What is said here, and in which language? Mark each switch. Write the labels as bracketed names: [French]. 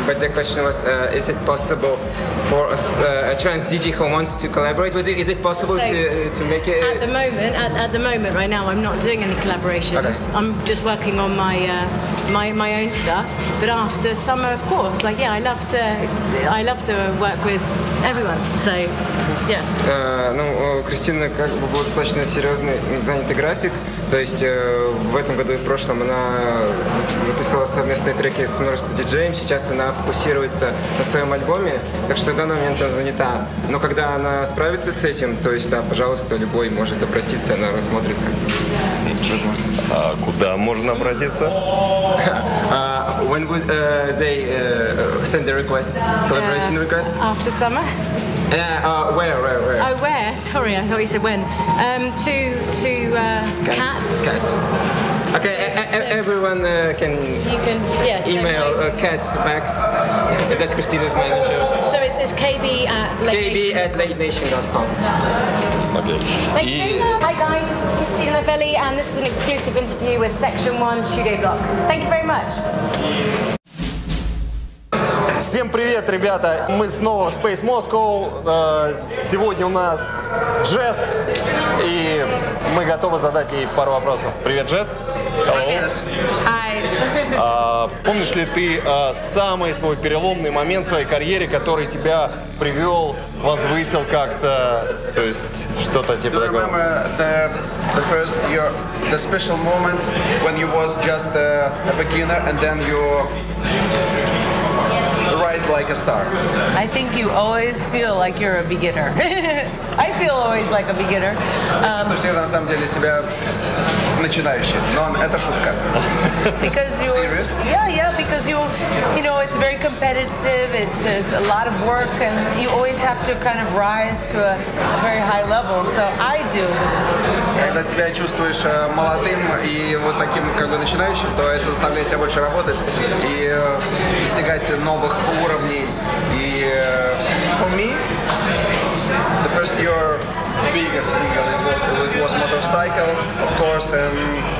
[English] But the question was, is it possible for us, a trans DJ who wants to collaborate with you? Is it possible to make it? At the moment, right now, I'm not doing any collaborations. Okay. I'm just working on my my own stuff. But after summer, of course, like yeah, I love to work with everyone. So, yeah. [Russian] Кристина как бы был достаточно серьезный, занятый график. То есть в этом году и в прошлом она записала совместные треки с множеством диджеями. Сейчас она фокусируется на своем альбоме, так что в данный момент она занята. Но когда она справится с этим, то есть, да, пожалуйста, любой может обратиться, она рассмотрит как возможность. А куда можно обратиться? [English] When would they send the request, collaboration request? After summer. Where? Sorry, I thought you said when. Cats. Cats. Okay, everyone can. You can. Yeah. Email Cats Max. That's Christina's manager. So it's KB at latenation.com. Okay. Hi guys, Christina Lavelli, and this is an exclusive interview with Section One Studio Block. Thank you very much. [Russian] Всем привет, ребята! Мы снова в Space Moscow. Сегодня у нас Джесс, и мы готовы задать ей пару вопросов. Привет, Джесс! [English] Hello. [Russian] Привет! [English] Hi. [Russian] Помнишь ли ты самый свой переломный момент в своей карьере, который тебя привел, возвысил как-то, то есть что-то типа такого? [English] Do you remember the special moment when you was just a beginner and then you rise like a star? I think you always feel like you're a beginner. I feel always like a beginner. [Russian] Я всегда на самом деле себя начинающий, но это шутка. [English] Because you're serious? Yeah, because you know, it's very competitive. There's a lot of work and you always have to kind of rise to a very high level. So I do. [Russian] Когда себя чувствуешь молодым и вот таким как бы начинающим, то это заставляет тебя больше работать и достигать новых уровней. [English] И for me, the first year biggest single is what it was Motorcycle, of course, and